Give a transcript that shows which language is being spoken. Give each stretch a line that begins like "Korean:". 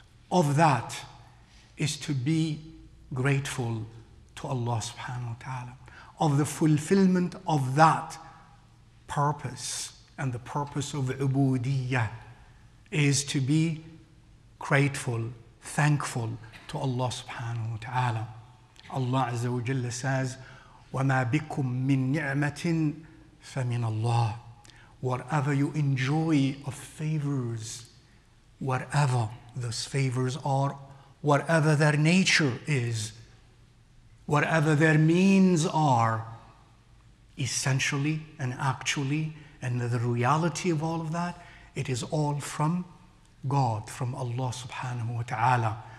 English: Of that is to be grateful to Allah subhanahu wa ta'ala. Of the fulfillment of that purpose and the purpose of ubudiyyah is to be grateful, thankful to Allah subhanahu wa ta'ala.
Arabic: Allah azza wa jalla
English: says,
Arabic: وَمَا بِكُم مِّن نِعْمَةٍ فَمِنَ اللَّهِ.
English: Whatever you enjoy of favors, whatever those favors are, whatever their nature is, whatever their means are, essentially and actually, and the reality of all of that, it is all from God, from Allah subhanahu wa ta'ala.